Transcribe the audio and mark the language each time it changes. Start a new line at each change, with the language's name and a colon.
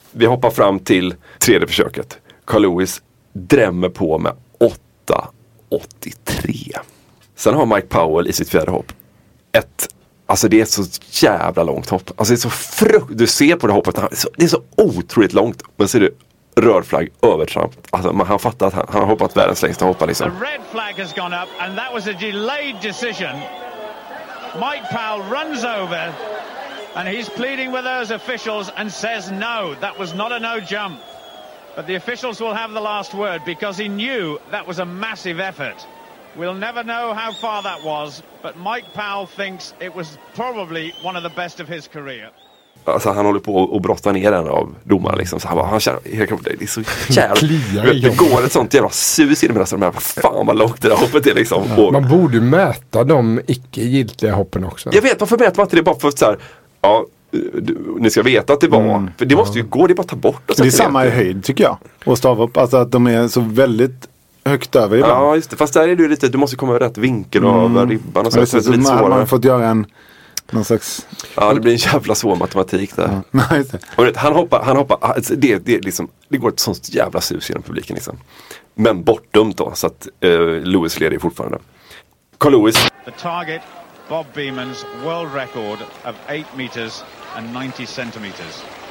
Swedish: Vi hoppar fram till tredje försöket. Carl Lewis drämmer på med 8,83. Sen har Mike Powell i sitt fjärde hopp ett... Alltså det är så jävla långt hopp. Alltså det är så du ser på det hoppet. Det är så otroligt långt. Men ser du rörflagg över Trump. Alltså man, han fattar att han har hoppat världens längsta hoppa liksom.
English: The red flag has gone up and that was a delayed decision. Mike Powell runs over and he's pleading with those officials and says no, that was not a no jump. But the officials will have the last word because he knew that was a massive effort. We'll never know how far that was, but Mike Powell thinks it was probably one of the best of his career.
Swedish: Alltså han håller på att brotta ner den av domaren liksom, så han känner helt det är så jävligt. Det går ett sånt jävla sus i det medan de här, fan vad långt det där hoppet är liksom. Ja, man borde mäta de icke giltiga hoppen också. Jag vet, varför mäter man inte det bara för så här, ja, ni ska veta att det var, för det måste ju gå, det bara ta bort. Och det är samma i höjd tycker jag, och stavhopp, alltså att de är så väldigt högt över ibland. Ja, just det. Fast där är det ju lite, du måste komma över rätt vinkel och över ribban. Och så, så, så lite man har fått göra en någon slags... Ja, det blir en jävla svår matematik där. Ja. Nej, han hoppar, alltså, det är liksom, det går ett sånt jävla sus genom publiken liksom. Men bortdömt då, så att Lewis leder fortfarande. Carl Lewis.
English: The target, Bob Beamon's world record of 8 meters and 90 centimeters.